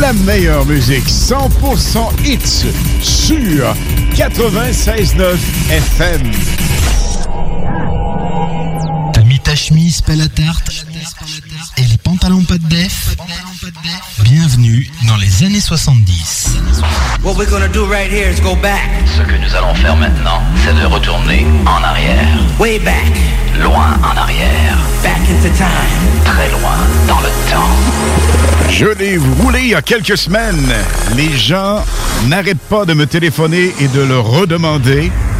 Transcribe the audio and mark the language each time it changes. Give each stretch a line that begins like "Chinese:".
French: La meilleure musique, 100% hits sur 96.9 FM. T'as mis ta chemise, pas la tarte, et les pantalons pas de def. Bienvenue dans les années 70.
English: What we're gonna do right here is go back.
French: Ce que nous allons faire maintenant, c'est de retourner en arrière.
English: Way back.
French: Loin en arrière.
English: Back into time.
French: Très loin dans le temps. Je l'ai roulé il y a quelques semaines. Les gens n'arrêtent pas de me téléphoner et de le redemander.